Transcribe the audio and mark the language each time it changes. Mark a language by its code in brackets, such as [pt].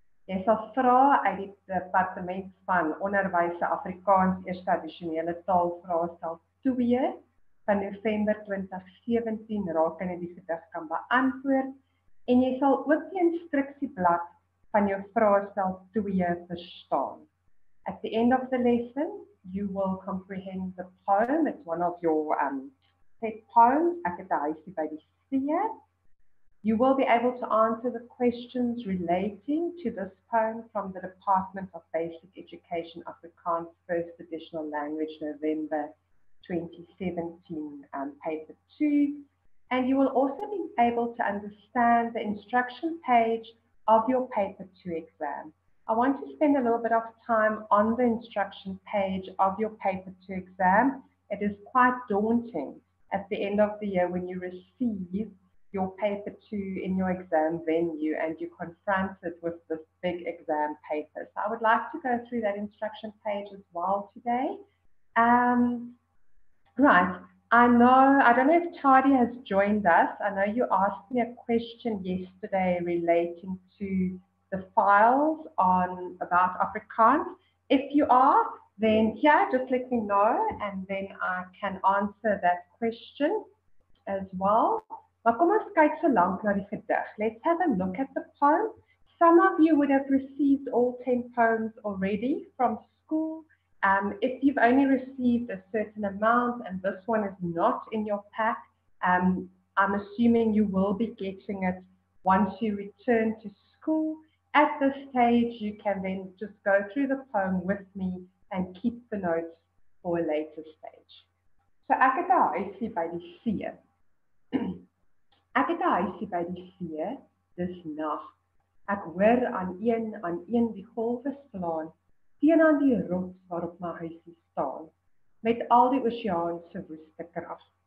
[af] Jy sal vrae uit die departement van onderwys se Afrikaans eerste addisionele taal vraestel 2 van November 2017 raak in die gedig kan beantwoord en jy sal ook die instruksieblad van jou vraestel 2 verstaan. [en] At the end of the lesson, you will comprehend the poem. It's one of your set poems, Ek het 'n huisie by die see. You will be able to answer the questions relating to this poem from the Department of Basic Education Afrikaans First Additional Language November 2017 paper 2. And you will also be able to understand the instruction page of your paper 2 exam. I want to spend a little bit of time on the instruction page of your paper 2 exam. It is quite daunting at the end of the year when you receive your paper 2 in your exam venue and you're confronted with this big exam paper. So I would like to go through that instruction page as well today. Right, I don't know if Tardy has joined us. I know you asked me a question yesterday relating to the files on about Afrikaans. If you are, then yeah, just let me know and then I can answer that question as well. [af] Maar kom ons kyk so lank na die gedig. [en] Let's have a look at the poem. Some of you would have received all 10 poems already from school. If you've only received a certain amount and this one is not in your pack, I'm assuming you will be getting it once you return to school. At this stage, you can then just go through the poem with me and keep the notes for a later stage. [af] So ek het 'n huisie by die see. Ek het 'n huisie by die see, dis nag. Ek hoor aan een die golwe slaan, teen aan die rots waarop my huisie staan, met al die oseaan se woeste krag.